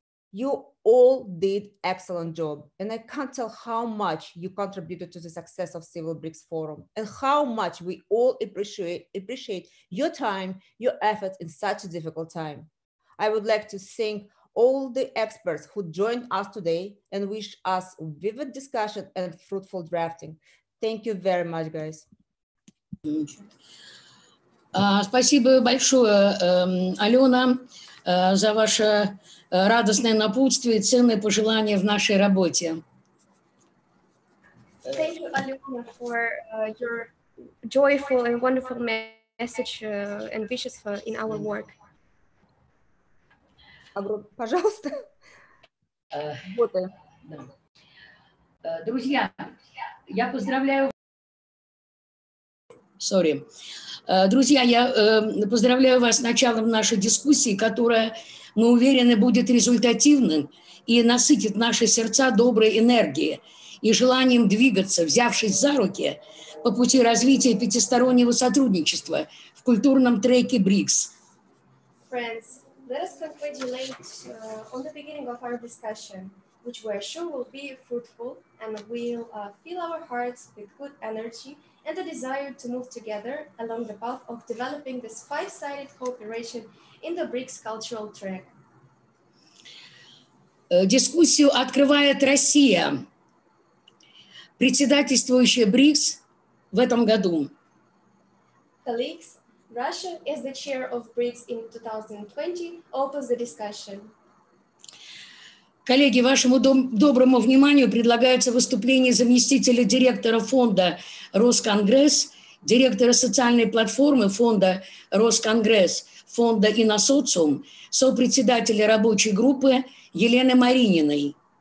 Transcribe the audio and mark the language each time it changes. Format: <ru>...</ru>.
<en>You all did excellent job and I can't tell how much you contributed to the success of Civil BRICS Forum and how much we all appreciate your time, your efforts in such a difficult time. I would like to thank all the experts who joined us today and wish us vivid discussion and fruitful drafting. Thank you very much, guys.</en> <ru>Спасибо большое, Алена, за ваше радостное напутствие и ценные пожелания в нашей работе.</ru> <en>Thank you, Алена, for your joyful and wonderful message and wishes in our work.</en> <ru>Пожалуйста. Вот он. Друзья, я поздравляю.</ru> <en>Sorry.</en> <ru>Друзья, я поздравляю вас с началом нашей дискуссии, которая, мы уверены, будет результативным и насытит наши сердца доброй энергией и желанием двигаться, взявшись за руки, по пути развития пятистороннего сотрудничества в культурном треке БРИКС.</ru> <en>Friends, let us congratulate on the beginning of our discussion, which we are sure will be fruitful and will fill our hearts with good energy and the desire to move together along the path of developing this 5-sided cooperation in the BRICS cultural track.</en> <ru>Дискуссию открывает Россия, председательствующая БРИКС в этом году.</ru> <en>Colleagues, Russia, as the chair of BRICS in 2020, opens the discussion.</en> <ru>Коллеги, вашему доброму вниманию предлагается выступление заместителя директора фонда Росконгресс, директора социальной платформы фонда Росконгресс, фонда InnoSoCiOM, сопредседателя рабочей группы Елены Марининой.</ru>